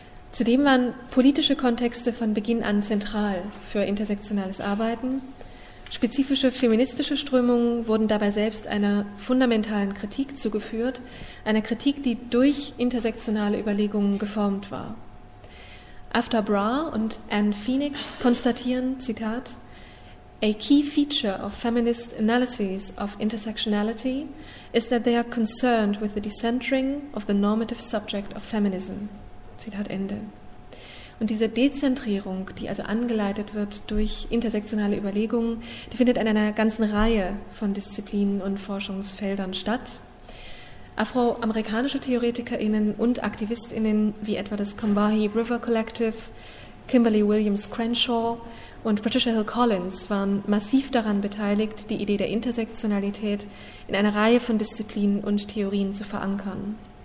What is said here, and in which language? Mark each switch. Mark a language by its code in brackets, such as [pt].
[de] Zudem waren politische Kontexte von Beginn an zentral für intersektionales Arbeiten. Spezifische feministische Strömungen wurden dabei selbst einer fundamentalen Kritik zugeführt, einer Kritik, die durch intersektionale Überlegungen geformt war. [en] After Bra [de] und Anne Phoenix konstatieren, Zitat, [en] "A key feature of feminist analyses of intersectionality is that they are concerned with the decentering of the normative subject of feminism." [de] Zitat Ende. Und diese Dezentrierung, die also angeleitet wird durch intersektionale Überlegungen, die findet in einer ganzen Reihe von Disziplinen und Forschungsfeldern statt. Afroamerikanische TheoretikerInnen und AktivistInnen wie etwa das Combahee River Collective, Kimberly Williams Crenshaw und Patricia Hill Collins waren massiv daran beteiligt, die Idee der Intersektionalität in einer Reihe von Disziplinen und Theorien zu verankern.